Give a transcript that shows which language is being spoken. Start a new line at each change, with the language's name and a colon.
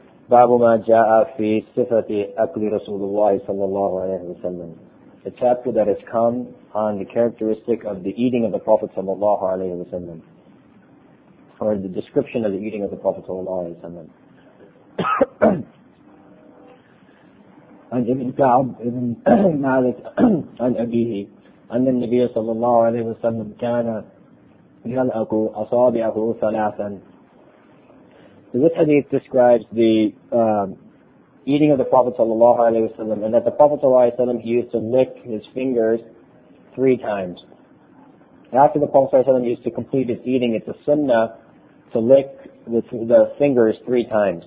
Arabic: باب ما جاء في صفة أكل رسول الله صلى الله عليه وسلم.
English: The chapter that has come on the characteristic of the eating of the Prophet صلى الله عليه وسلم, or the description of the eating of the Prophet صلى الله عليه وسلم.
Arabic: عن ابن كعب بن مالك عن أبيه أن النبي صلى الله عليه وسلم كان يلأك أصابعه ثلاثا.
English: So this hadith describes the eating of the Prophet sallallahu alaihi wasallam, and that the Prophet sallallahu alaihi wasallam, he used to lick his fingers three times. After the Prophet sallallahu alaihi wasallam used to complete his eating, it's a sunnah to lick the fingers three times.